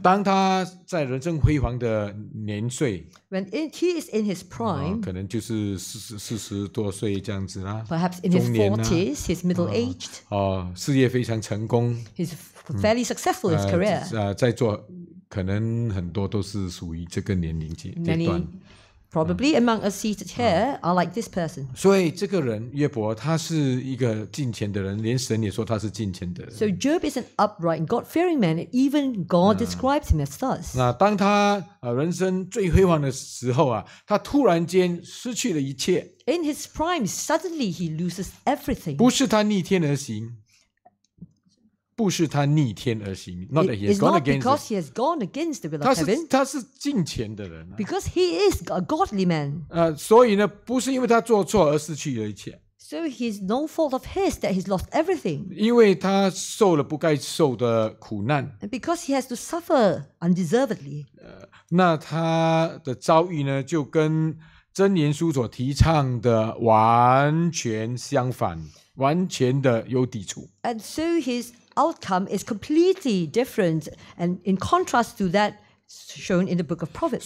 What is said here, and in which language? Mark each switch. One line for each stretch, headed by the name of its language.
Chinese: 当他在人生辉煌的年岁,
English: when he is in his prime,
Chinese: 可能就是四十多岁这样子啦,
English: perhaps in his 40s, he's middle-aged,
Chinese: 事业非常成功,
English: he's fairly successful in his career.
Chinese: 在座可能很多都是属于这个年龄阶段。
English: Many, probably among us seated here, are like this person.
Chinese: 所以这个人,约伯,他是一个敬虔的人, 连神也说他是敬虔的人。
English: So Job is an upright and God-fearing man, and even God describes him as thus.
Chinese: 那当他人生最辉煌的时候啊, 他突然间失去了一切。
English: In his prime, suddenly he loses everything.
Chinese: 不是他逆天而行。不是他逆天而行,
English: not that he has gone against It's not because he has gone against the will of heaven.
Chinese: 他是敬虔的人。
English: Because he is a godly man.
Chinese: 所以呢, 不是因为他做错而失去了一切。
English: So he's no fault of his that he's lost everything.
Chinese: 因为他受了不该受的苦难。
English: And because he has to suffer undeservedly.
Chinese: 那他的遭遇呢, 就跟箴言书所提倡的完全相反, 完全的有抵触。
English: And so his outcome is completely different and in contrast to that shown in the book of Proverbs.